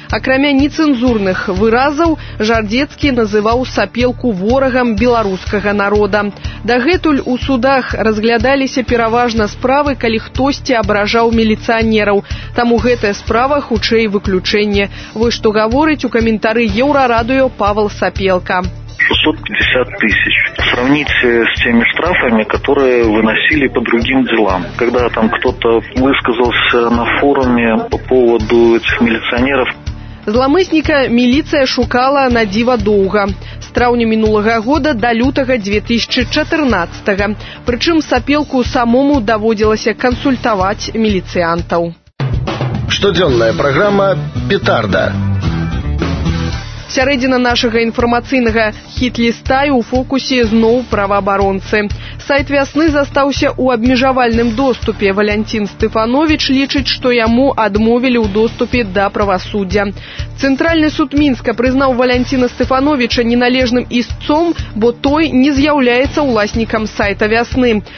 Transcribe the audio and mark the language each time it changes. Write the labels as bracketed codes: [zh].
[be] Акрамя нецэнзурных выразаў, Жардзецкі называў Сапелку ворагам беларускага народа. Дагэтуль у судах разглядаліся пераважна справы, калі хтосьці абражаў міліцыянераў. Таму гэтая справа хутчэй выключэнне. Вось што гаворыць у каментары Еўрарадыё Павел Сапелка. [ru] 650 тысяч. Сравните с теми штрафами, которые выносили по другим делам. Когда там кто-то высказался на форуме по поводу этих милиционеров. [be] Зламысніка міліцыя шукала на дзіва доўга. З траўня мінулага года да лютага 2014. Прычым Сапелку самому даводзілася кансультаваць міліцыянтаў. Штодзённая праграма «Петарда». Сярэдзіна нашага інфармацыйнага хіт-ліста і ў фокусе зноў праваабаронцы. Сайт «Вясны» застаўся ў абмежавальным доступе. Валянцін Стэфановіч лічыць, што яму адмовілі ў доступе да правасуддзя. Цэнтральны суд Мінска прызнаў Валянціна Стэфановіча неналежным істцом, бо той не з'яўляецца ўласнікам сайта «Вясны».